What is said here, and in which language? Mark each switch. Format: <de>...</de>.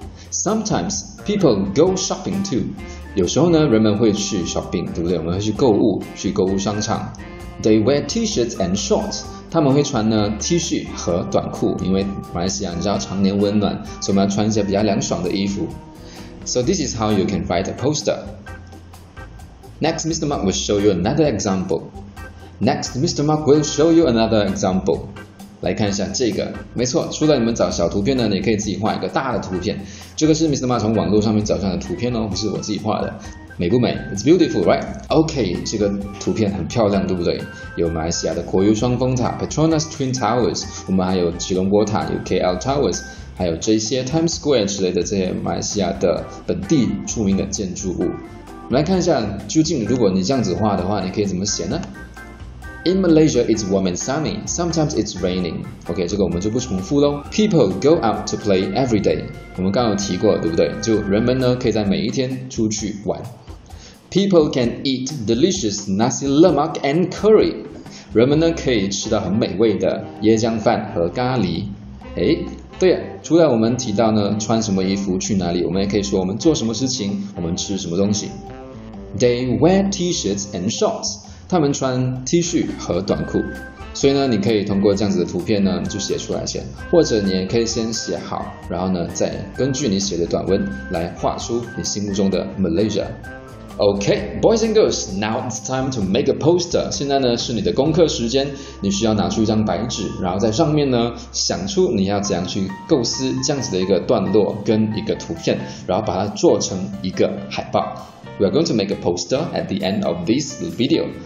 <en>Sometimes people go shopping too.</en> <zh>有时候呢人们会去 shopping, 对不对？我们会去购物，去购物商场。</zh> <en>They wear t-shirts and shorts.</en> <zh>他们会穿呢 T 恤和短裤，因为马来西亚你知道常年温暖，所以我们要穿一些比较凉爽的衣服。</zh> <en>So this is how you can write a poster. Next, Mr. Mark will show you another example. Next, Mr. Mark will show you another example.</en> <zh>来看一下这个，没错，除了你们找小图片呢，你可以自己画一个大的图片。这个是 Mr. Ma 从网络上面找上的图片哦，不是我自己画的。美不美？</zh> <en>It's beautiful, right?</en> <zh>OK, 这个图片很漂亮，对不对？有马来西亚的国有双峰塔 Petronas Twin Towers, 我们还有吉隆坡塔，有 KL Towers, 还有这些 Times Square 之类的这些马来西亚的本地著名的建筑物。我们来看一下，究竟如果你这样子画的话，你可以怎么写呢？</zh> <en>In Malaysia, it's warm and sunny. Sometimes it's raining.</en> <zh>OK, 这个我们就不重复咯。</zh> <en>People go out to play every day.</en> <zh>我们刚刚有提过，对不对？就人们呢，可以在每一天出去玩。</zh> <en>People can eat delicious nasi lemak and curry.</en> <zh>人们呢，可以吃到很美味的椰浆饭和咖喱。诶，对啊，除了我们提到呢，穿什么衣服，去哪里，我们也可以说我们做什么事情，我们吃什么东西。</zh> <en>They wear t-shirts and shorts.</en> <zh>他们穿 T 恤和短裤，所以呢，你可以通过这样子的图片呢，就写出来先，或者你也可以先写好，然后呢，再根据你写的短文来画出你心目中的 Malaysia。</zh> <en>Okay, boys and girls, now it's time to make a poster.</en> <zh>现在呢是你的功课时间，你需要拿出一张白纸，然后在上面呢想出你要怎样去构思这样子的一个段落跟一个图片，然后把它做成一个海报。</zh> <en>We are going to make a poster at the end of this video.</en>